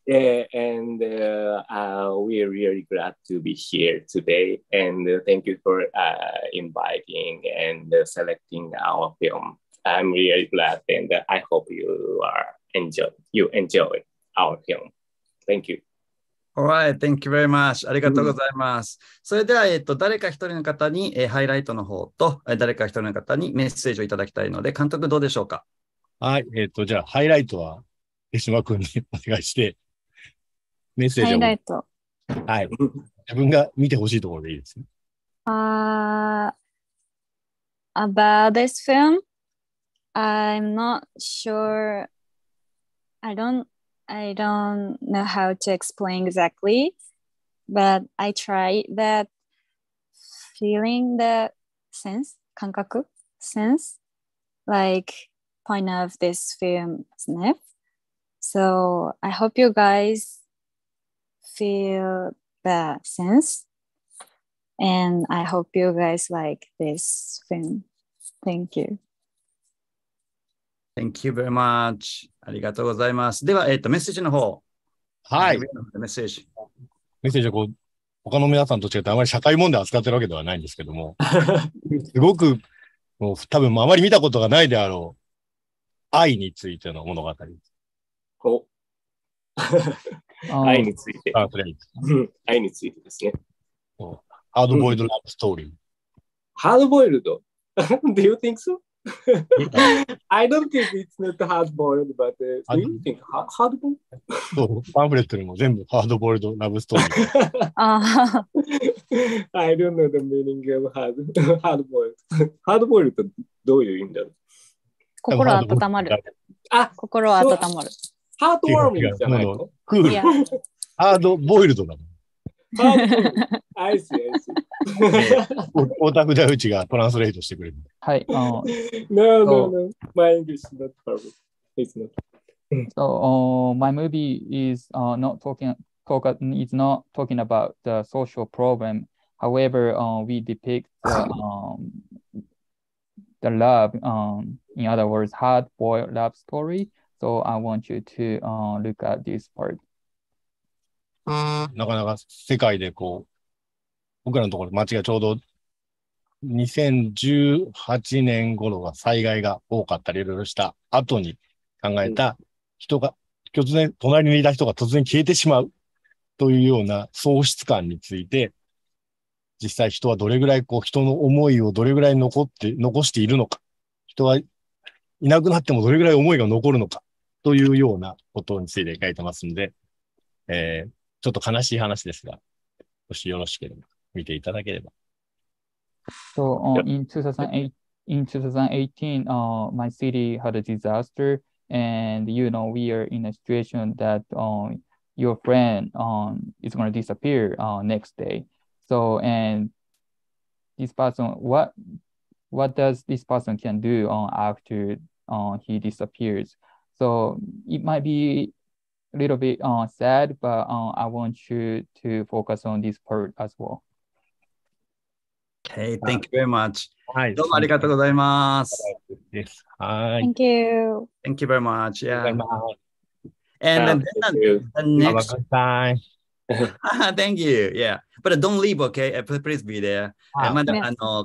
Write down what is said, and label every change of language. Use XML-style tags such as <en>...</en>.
<en>Yeah, and we are really glad to be here today. And thank you for inviting and selecting our film. I'm really glad, and I hope you are enjoy our film. Thank you. All right. Thank you very much.</en> <ja>ありがとうございます。それでは、誰か一人の方に、ハイライトの方と、誰か一人の方にメッセージをいただきたいので、監督どうでしょうか。はい。じゃあ、ハイライトは、手島くんにお願いして、メッセージを。ハイライト。はい。自分が見てほしいところでいいですね。</ja> <en>About this film, I'm not sure. I don't know how to explain exactly, but I try that feeling, the sense, 感覚, sense, like point of this film, SNIFF. So I hope you guys feel the sense, and I hope you guys like this film. Thank you. Thank you very much.</en> <ja>ありがとうございます。では、メッセージの方。はい。メッセージ。メッセージはこう、他の皆さんと違って、あまり社会問題扱ってるわけではないんですけども、すごく、もう多分あまり見たことがないであろう、愛についての物語。愛について。あ、それ愛についてですね。ハードボイルドラブストーリー。</ja> <en>ハードボイルド Do you think so? I don't think it's not hard boiled, but do you think hard boiled?</en> <ja>そう、パンフレットにも全部ハードボイルドラブストーリー。ああ。</ja> <en>I don't know the meaning of hard boiled.</en> <ja>Hard boiled ってどういう意味だろう。心温まる。あ、心は温まる。ハートウォーミングじゃないの？クール。ハードボイルドだもん。ハードボイルド。アイス。オタクダウチがトランスレートしてくれる。はい。</ja> <en>No, no, no. My English is not perfect. It's not. So, my movie is not talking about the social problem. However, we depict the love, in other words, hard boiled love story. So, I want you to look at this part.</en> <ja>なかなか世界でこう。僕らのところ、町がちょうど2018年頃は災害が多かったりいろいろした後に考えた人が、うん、突然、隣にいた人が突然消えてしまうというような喪失感について、実際人はどれぐらいこう人の思いをどれぐらい残しているのか、人はいなくなってもどれぐらい思いが残るのかというようなことについて書いてますので、ちょっと悲しい話ですが、もしよろしければ。見ていただければ。</ja> <en>So, in 2018, my city had a disaster, and you know, we are in a situation that your friend is going to disappear next day. So, and this person, what does this person can do after he disappears? So, it might be a little bit sad, but I want you to focus on this part as well. Hey, thank you very much.</en> <ja>はい、どうもありがとうございます。です。はい。</ja> <en>Thank you. Thank you very much. Yeah. And then, the next time. thank you. Yeah. But don't leave, okay? Please be there. まだ、yes.</en>